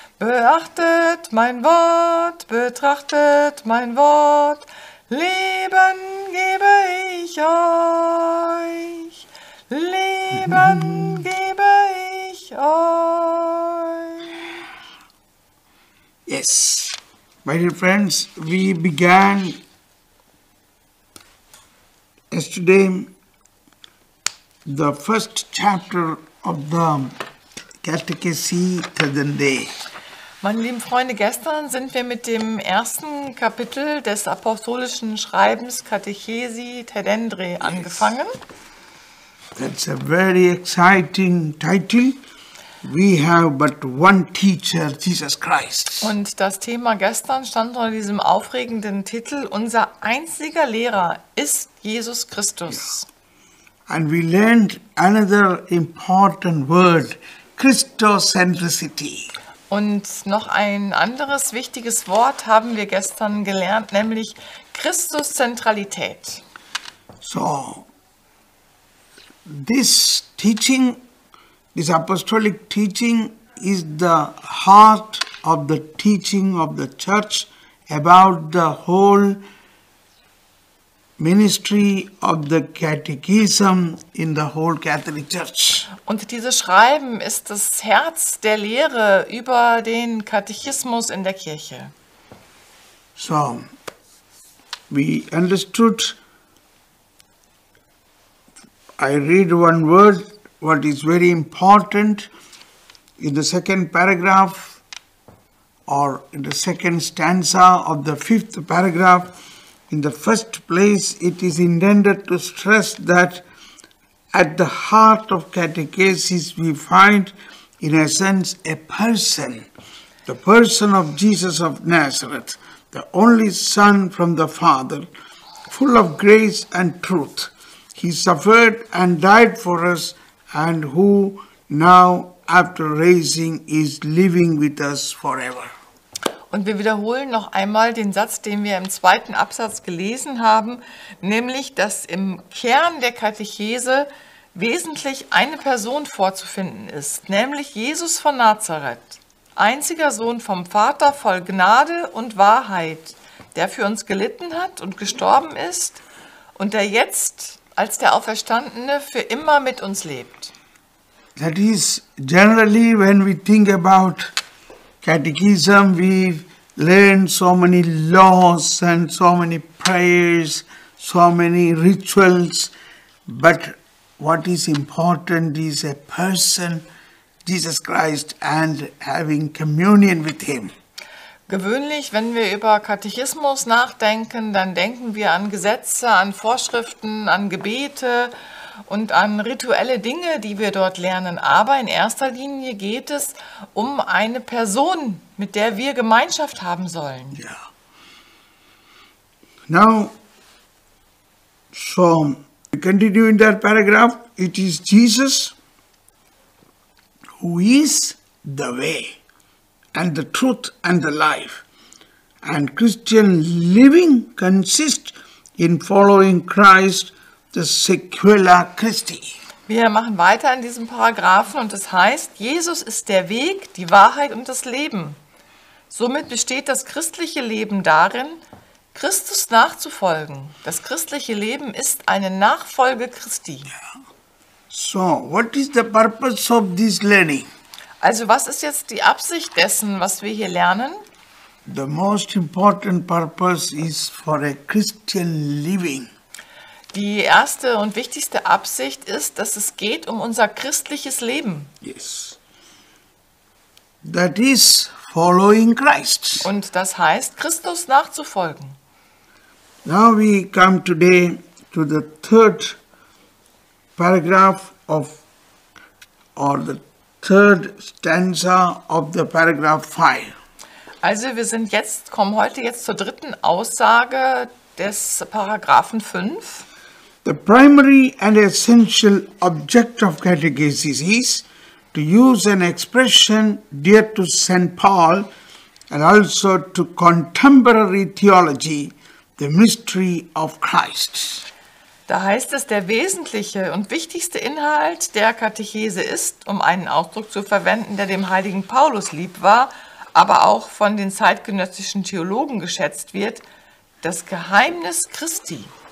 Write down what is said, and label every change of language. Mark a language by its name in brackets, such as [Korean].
[German] Beachtet mein Wort, betrachtet mein Wort, Leben gebe ich euch, Leben gebe ich euch. [English] Yes, my dear friends, we began yesterday the first chapter of the Catechesi Tadende. [German] Meine lieben Freunde, gestern sind wir mit dem ersten Kapitel des apostolischen Schreibens Catechesi Tadendre angefangen. [English] That's a very exciting title. We have but one teacher, Jesus Christ. [German] Und das Thema gestern stand unter diesem aufregenden Titel: Unser einziger Lehrer ist Jesus Christus. [English] Yeah. And we learned another important word, Christocentricity. [German] Und noch ein anderes wichtiges Wort haben wir gestern gelernt, nämlich Christuszentralität. [English] So, this teaching, this apostolic teaching is the heart of the teaching of the church about the whole ministry of the catechism in the whole Catholic Church. [German] Und dieses Schreiben ist das Herz der Lehre über den Katechismus in der Kirche. [English] So, we understood, I read one word, what is very important in the second paragraph or in the second stanza of the fifth paragraph. In the first place, it is intended to stress that at the heart of catechesis, we find in a sense a person, the person of Jesus of Nazareth, the only son from the Father, full of grace and truth. He suffered and died for us, and who now, after raising, is living with us forever. [German] Und wir wiederholen noch einmal den Satz, den wir im zweiten Absatz gelesen haben, nämlich, dass im Kern der Katechese wesentlich eine Person vorzufinden ist, nämlich Jesus von Nazareth, einziger Sohn vom Vater, voll Gnade und Wahrheit, der für uns gelitten hat und gestorben ist und der jetzt als der Auferstandene für immer mit uns lebt. [English] That is generally when we think about Catechism, we learn so many laws and so many prayers, so many rituals, but what is important is a person, Jesus Christ, and having communion with him. [German] Gewöhnlich, wenn wir über Katechismus nachdenken, dann denken wir an Gesetze, an Vorschriften, an Gebete und an rituelle Dinge, die wir dort lernen. Aber in erster Linie geht es um eine Person, mit der wir Gemeinschaft haben sollen. Ja. [English] Now, so, we continue in that paragraph. It is Jesus who is the way and the truth and the life. And Christian living consists in following Christ, the Sequela Christi. [German] Wir machen weiter in diesem Paragraphen und es heißt, Jesus ist der Weg, die Wahrheit und das Leben. Somit besteht das christliche Leben darin, Christus nachzufolgen. Das christliche Leben ist eine Nachfolge Christi. [English] So, what is the purpose of this learning? [German] Also, was ist jetzt die Absicht dessen, was wir hier lernen? [English] The most important purpose is for a Christian living. [German] Die erste und wichtigste Absicht ist, dass es geht um unser christliches Leben. [English] Yes. That is following Christ. [German] Und das heißt, Christus nachzufolgen. [English] Now we come today to the third paragraph of, or the third stanza of the paragraph 5. [German] Also wir sind jetzt, kommen heute jetzt zur dritten Aussage des Paragraphen 5. [English] The primary and essential object of catechesis is, to use an expression dear to St. Paul and also to contemporary theology, the mystery of Christ. [German] Da heißt es, der wesentliche und wichtigste Inhalt der Katechese ist, um einen Ausdruck zu verwenden, der dem heiligen Paulus lieb war, aber auch von den zeitgenössischen Theologen geschätzt wird, das Geheimnis Christi.